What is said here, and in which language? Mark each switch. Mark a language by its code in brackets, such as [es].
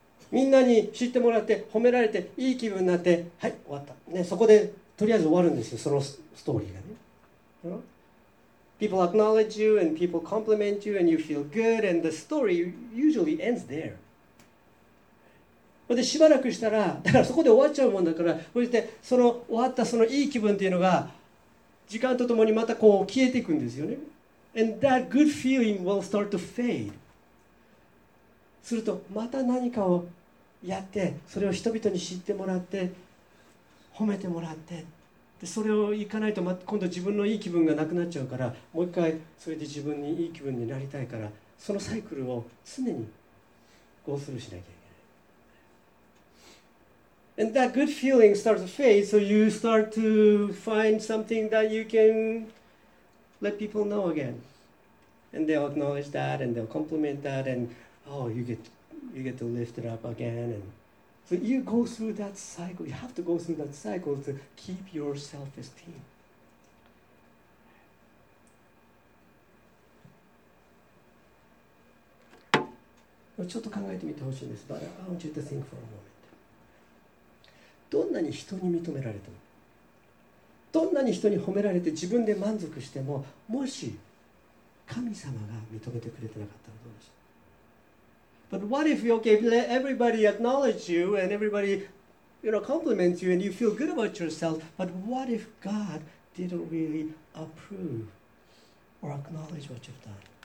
[ja] みんなに知ってもらって褒められていい気分になってはい終わった、ね、そこでとりあえず終わるんですよ、そのストーリーがね。 [en] People acknowledge you and people compliment you and you feel good and the story usually ends there. [ja] でしばらくしたらだからそこで終わっちゃうもんだから、そしてその終わったそのいい気分っていうのが時間とともにまたこう消えていくんですよね。 [en] And that good feeling will start to fade. [ja] するとまた何かをやって、それを人々に知ってもらって、褒めてもらって、でそれを行かないと今度自分のいい気分がなくなっちゃうから、もう一回それで自分にいい気分になりたいから、そのサイクルを常にゴースルーしなきゃいけない。 [en] And that good feeling starts to fade, so you start to find something that you can... Let people know again. And they'll acknowledge that and they'll compliment that and oh, you get to lift it up again. And so you go through that cycle. You have to go through that cycle to keep your self-esteem. [ja] ちょっと考えてみてほしいんです。 [en] But I want you to think for a moment. [ja] どんなに人に認められても、どんなに人に褒められて自分で満足しても、もし神様が認めてくれてなかったらどうでしょう。 [en] But what if you okay, let everybody acknowledge you and everybody, you know, compliment you and you feel good about yourself, but what if God didn't really approve or acknowledge what you've done?